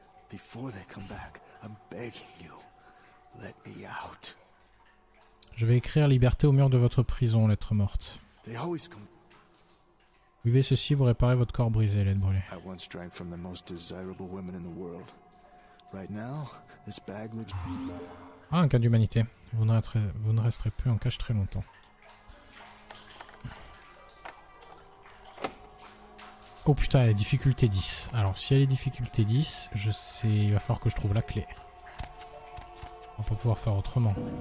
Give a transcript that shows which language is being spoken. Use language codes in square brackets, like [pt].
[en] Before they come back, I'm begging you, let me out. [fr] Je vais écrire liberté au mur de votre prison, lettre morte. [en] They always come. [fr] Buvez ceci, vous réparez votre corps brisé, lettre brûlée. [en] I once drank from the most desirable women in the world. Right now, this bag looks... [fr] Ah, un cas d'humanité. Vous ne resterez plus en cage très longtemps. Oh putain, elle est difficulté 10. Alors, si elle est difficulté 10, je sais, il va falloir que je trouve la clé. On va pas pouvoir faire autrement.